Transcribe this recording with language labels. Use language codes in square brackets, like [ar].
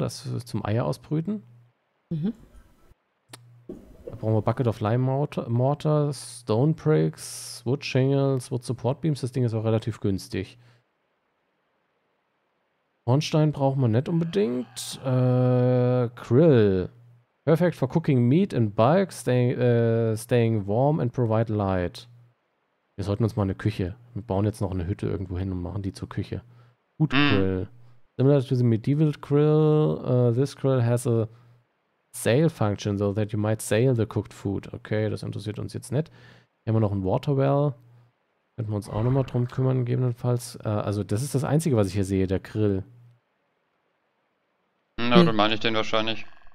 [de] Das ist zum Eier ausbrüten. Mhm. Da brauchen wir [en] Bucket of Lime Mortar, Stone Pricks, Wood Shingles, Wood Support Beams. [de] Das Ding ist auch relativ günstig. Hornstein braucht man nicht unbedingt. [en] Krill. Perfect for cooking meat in bulk, staying warm and provide light. [de] Wir sollten uns mal eine Küche. Wir bauen jetzt noch eine Hütte irgendwo hin und machen die zur Küche. [en] Hut Grill. Similar to the medieval grill, this grill has a sail function, so that you might sail the cooked food. [de] Okay, das interessiert uns jetzt nicht. Hier haben wir noch ein Water Well. Könnten wir uns auch nochmal drum kümmern, gegebenenfalls. Also das ist das Einzige, was ich hier sehe, der Grill. Na, dann meine ich den wahrscheinlich.